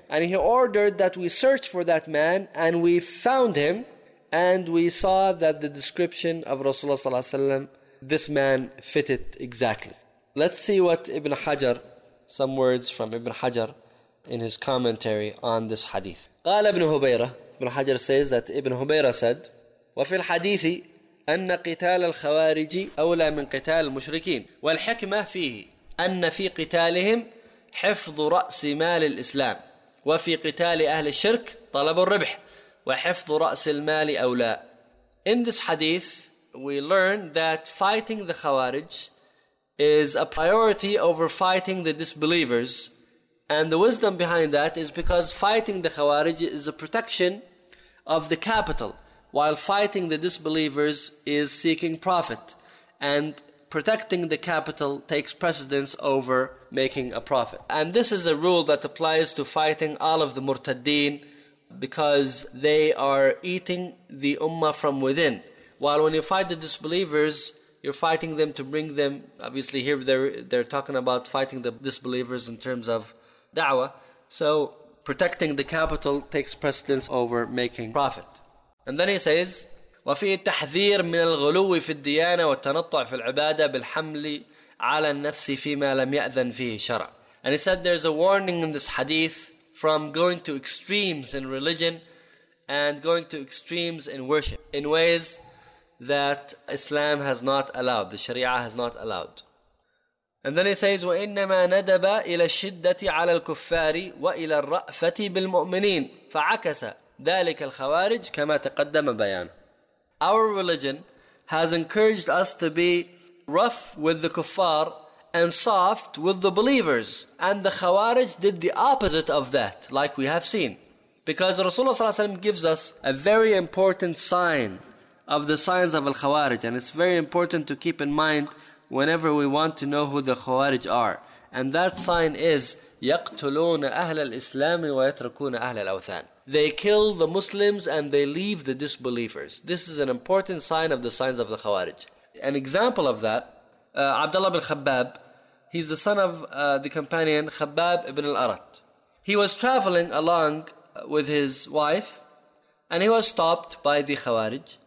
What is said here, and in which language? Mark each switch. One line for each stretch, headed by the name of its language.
English: And he ordered that we search for that man, and we found him, and we saw that the description of Rasulullah ﷺ, this man fitted exactly. Let's see what Ibn Hajar, some words from Ibn Hajar in his commentary on this hadith.
Arabic: قال ابن هبيرة,
English: Ibn Hajar says that Ibn Hubayra said,
Arabic: وفي الحديث أن قتال الخوارج أولى من قتال المشركين والحكمة فيه أن في قتالهم حفظ رأس مال الإسلام وفي قتال أهل الشرك طلب الربح وحفظ رأس المال أولى.
English: In this hadith, we learn that fighting the Khawarij is a priority over fighting the disbelievers. And the wisdom behind that is because fighting the Khawarij is a protection of the capital, while fighting the disbelievers is seeking profit. And protecting the capital takes precedence over making a profit. And this is a rule that applies to fighting all of the Murtaddin, because they are eating the Ummah from within. While when you fight the disbelievers, you're fighting them to bring them, obviously here they're talking about fighting the disbelievers in terms of da'wah. So protecting the capital takes precedence over making profit. And then he says,
Arabic: وفي التحذير من الغلو في الديانة والتنطع في العبادة بالحمل على النفس فيما لم يأذن فيه شرع.
English: And he said there's a warning in this hadith from going to extremes in religion and going to extremes in worship in ways that Islam has not allowed, the Sharia has not allowed. And then he says,
Arabic: وَإِنَّمَا نَدَبَ إِلَى الشِّدَّةِ عَلَى الْكُفَّارِ وَإِلَى الرَّأْفَةِ بِالْمُؤْمِنِينَ فَعَكَسَ ذَلِكَ الْخَوَارِجِ كَمَا تَقَدَّمَ بَيَانَ.
English: Our religion has encouraged us to be rough with the kuffar and soft with the believers. And the Khawarij did the opposite of that, like we have seen. Because Rasulullah ﷺ gives us a very important sign of the signs of Al-Khawarij. And it's very important to keep in mind whenever we want to know who the Khawarij are. And that sign is,
Arabic: يَقْتُلُونَ أَهْلَ الْإِسْلَامِ وَيَتْرَكُونَ أَهْلَ الْأَوْثَانِ.
English: They kill the Muslims and they leave the disbelievers. This is an important sign of the signs of the Khawarij. An example of that, Abdullah bin Khabbab, he's the son of the companion Khabbab ibn al-Arat. He was traveling along with his wife and he was stopped by the Khawarij.